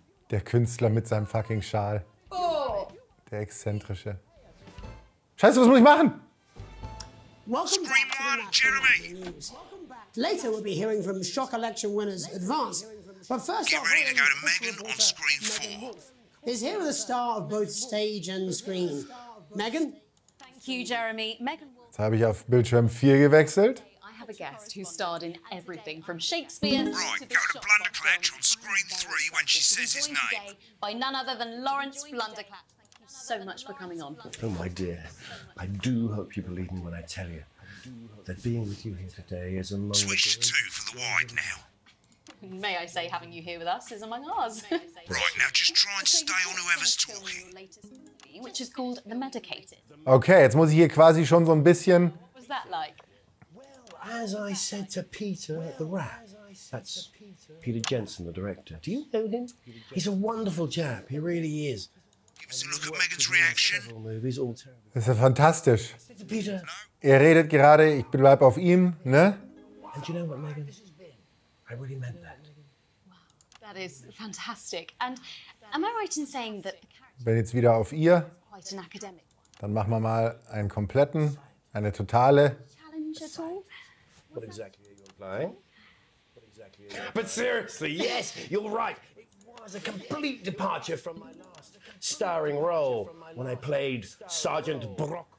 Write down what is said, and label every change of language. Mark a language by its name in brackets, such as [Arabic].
[German] Der Künstler mit seinem fucking Schal. Der Exzentrische. Scheiße, was muss ich machen? [English] Scream on, Jeremy! Later we'll be hearing from shock election winners Advance. But first get ready to go to Megan on screen 4. Is here with the star of both stage and screen. Megan? Thank you, Jeremy. Megan. [German] Jetzt habe ich auf Bildschirm 4 gewechselt. [English] I have a guest who starred in everything from Shakespeare. Right, go to Blunderclatch on screen 3 when she says his name. By none other than Lawrence Blunderclatch. Thank you so much for coming on. Oh, my dear. I do hope you believe me when I tell you that being with you here today is a moment. Switch to 2 for the wide now. May I say, having you here with us is among ours. Right, now just try and stay on whoever's talking. Which is called The Medicated. [German] Okay, jetzt muss ich hier quasi schon so ein bisschen... [English] What was that like? Well, as I said to Peter at the Rat. That's Peter Jensen, the director. Do you know him? He's a wonderful chap, he really is. Give us a look at Megan's reaction. [German] Das ist ja fantastisch. Er redet gerade, ich bleib auf ihm, ne? [English] And you know what, Megan? I really meant that. That is fantastic. And am I right in saying that... [German] Wenn jetzt wieder auf ihr, dann machen wir mal einen kompletten, eine totale... [English] Challenge at all? What exactly are you implying? But seriously, yes, you're right. It was a complete departure from my last starring role when I played Sergeant Brock.